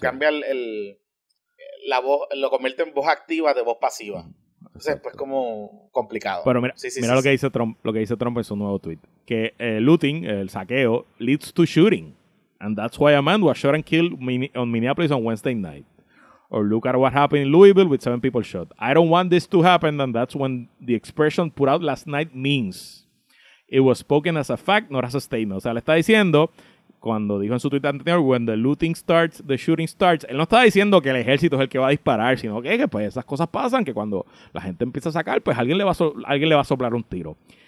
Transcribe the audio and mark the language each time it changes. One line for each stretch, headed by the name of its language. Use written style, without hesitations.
Spanish: Cambia la voz, lo convierte en voz activa de voz pasiva. Entonces, pues, como complicado. Pero mira lo que dice Trump, en su nuevo tweet.
English: Que looting, el saqueo, leads to shooting. And that's why a man was shot and killed on Minneapolis on Wednesday night. Or look at what happened in Louisville with 7 people shot. I don't want this to happen, and that's when the expression put out last night means. It was spoken as a fact, not as a statement.
Spanish: O sea, le está diciendo, cuando dijo en su tweet anterior,
English: when the looting starts, the shooting starts,
Spanish: él no está diciendo que el ejército es el que va a disparar, sino que pues esas cosas pasan, que cuando la gente empieza a sacar, pues alguien le va a soplar un tiro.